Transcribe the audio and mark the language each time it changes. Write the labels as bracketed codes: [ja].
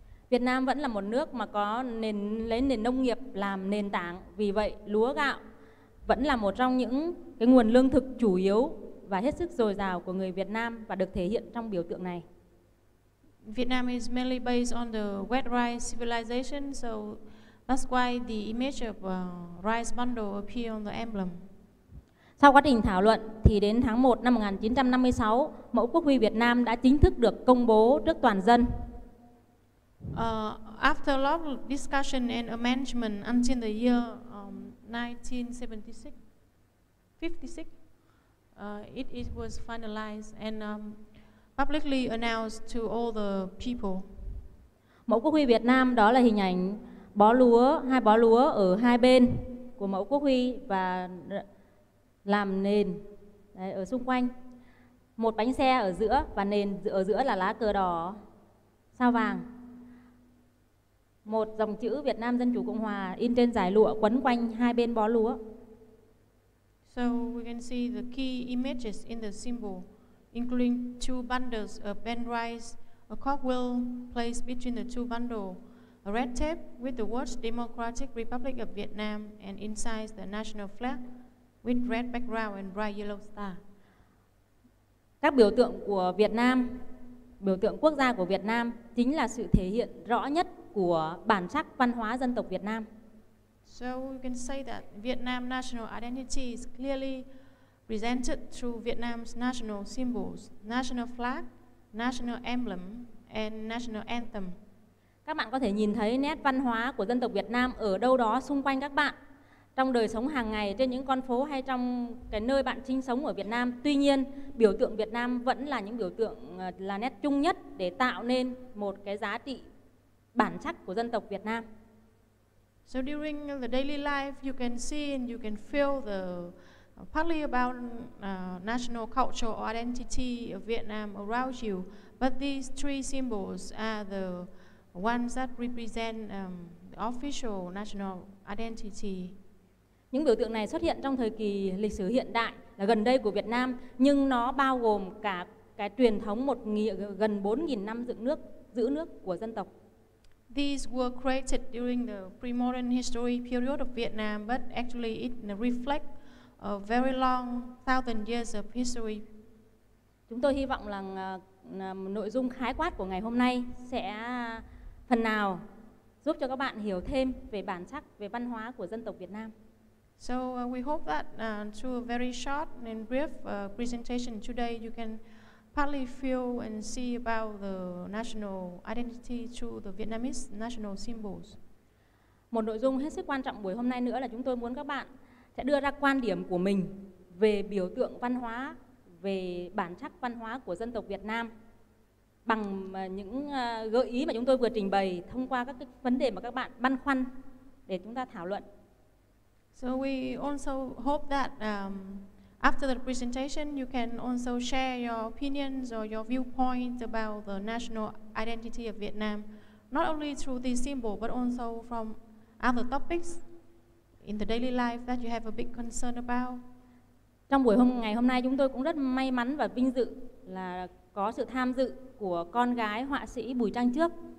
[vi] Việt Nam vẫn là một nước mà có lấy nền nông nghiệp làm nền tảng, vì vậy lúa gạo vẫn là một trong những cái nguồn lương thực chủ yếu và hết sức dồi dào của người Việt Nam và được thể hiện trong biểu tượng này. [en] Vietnam is mainly based on the wet rice civilization, so That's why the image of a rice bundle appear on the emblem. [vi] Sau quá trình thảo luận thì đến tháng 1 năm 1956, mẫu quốc huy Việt Nam đã chính thức được công bố trước toàn dân. [en] After a lot of discussion and amendment until the year 1956, it was finalized and publicly announced to all the people. [vi] Mẫu quốc huy Việt Nam đó là hình ảnh bó lúa, hai bó lúa ở hai bên của mẫu quốc huy và làm nền đấy, ở xung quanh. Một bánh xe ở giữa và nền ở giữa là lá cờ đỏ sao vàng. Một dòng chữ Việt Nam Dân Chủ Cộng Hòa in trên dải lụa quấn quanh hai bên bó lúa. [en] So we can see the key images in the symbol, including two bundles of bent rice, a cogwheel placed between the two bundles, a red tape with the words Democratic Republic of Vietnam and inside the national flag with red background and bright yellow star. [vi] Các biểu tượng của Việt Nam, biểu tượng quốc gia của Việt Nam chính là sự thể hiện rõ nhất của bản sắc văn hóa dân tộc Việt Nam. [en] So we can say that Vietnam national identity is clearly presented through Vietnam's national symbols, national flag, national emblem and national anthem. [vi] Các bạn có thể nhìn thấy nét văn hóa của dân tộc Việt Nam ở đâu đó xung quanh các bạn, trong đời sống hàng ngày, trên những con phố hay trong cái nơi bạn sinh sống ở Việt Nam. Tuy nhiên, biểu tượng Việt Nam vẫn là những biểu tượng là nét chung nhất để tạo nên một cái giá trị bản sắc của dân tộc Việt Nam. [en] So during the daily life, you can see and you can feel the partly about national culture or identity of Vietnam around you. But these three symbols are the ones that represent the official national identity. [vi] Những biểu tượng này xuất hiện trong thời kỳ lịch sử hiện đại là gần đây của Việt Nam, nhưng nó bao gồm cả cái truyền thống gần 4.000 năm dựng nước, giữ nước của dân tộc. [en] These were created during the pre-modern history period of Vietnam, but actually it reflect a very long thousand years of history. [vi] Chúng tôi hy vọng là nội dung khái quát của ngày hôm nay sẽ phần nào giúp cho các bạn hiểu thêm về bản sắc, về văn hóa của dân tộc Việt Nam. [en] So we hope that through a very short and brief presentation today, you can partly feel and see about the national identity through the Vietnamese national symbols. [vi] Một nội dung hết sức quan trọng buổi hôm nay nữa là chúng tôi muốn các bạn sẽ đưa ra quan điểm của mình về biểu tượng văn hóa, về bản sắc văn hóa của dân tộc Việt Nam bằng những gợi ý mà chúng tôi vừa trình bày thông qua các cái vấn đề mà các bạn băn khoăn để chúng ta thảo luận. [en] So we also hope that after the presentation, you can also share your opinions or your viewpoints about the national identity of Vietnam, not only through this symbol, but also from other topics in the daily life that you have a big concern about. [vi] Trong buổi ngày hôm nay, chúng tôi cũng rất may mắn và vinh dự là có sự tham dự của con gái họa sĩ Bùi Trang Trước.